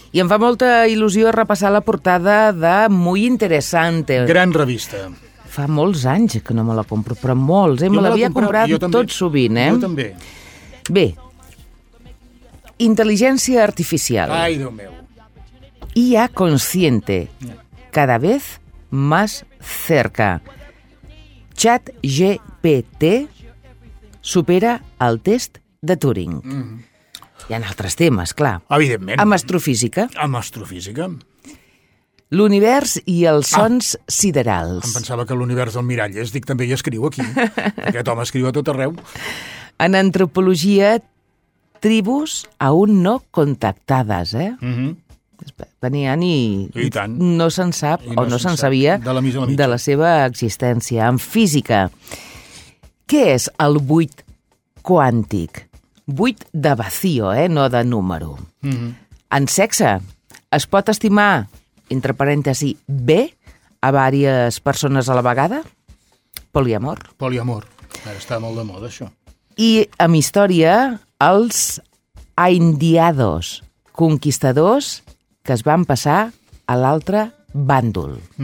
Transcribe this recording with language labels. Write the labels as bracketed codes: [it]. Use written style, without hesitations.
[ca] I em fa molta il·lusió repassar la portada de Muy Interesante. Gran revista. Fa molts anys que no me la compro, però molts, eh? Me l'havia comprat tot sovint, eh? Jo també. Bé, intel·ligència artificial. Ai, Déu meu. [es] IA consciente, cada vez más cerca. Chat GPT supera el test de Turing. [ca] Hi ha altres temes, clar. Evidentment. Amb astrofísica. Amb astrofísica. L'univers i els sons siderals. Em pensava que l'univers del mirall és, dic, també hi escriu aquí. Aquest home escriu a tot arreu. En antropologia, tribus [es] aún no [ca] contactades, eh? Venien i tant. No se'n sap, no, o no se'n sabia, de la, mitja. De la seva existència. En física, què és el buit quàntic? Buit de vacío, no de número. En sexe, es pot estimar, entre parèntesi, bé a diverses persones a la vegada? Poliamor. Poliamor. Ara està molt de moda, això. I en història, els aindiados, conquistadors que es van passar a l'altre bàndol.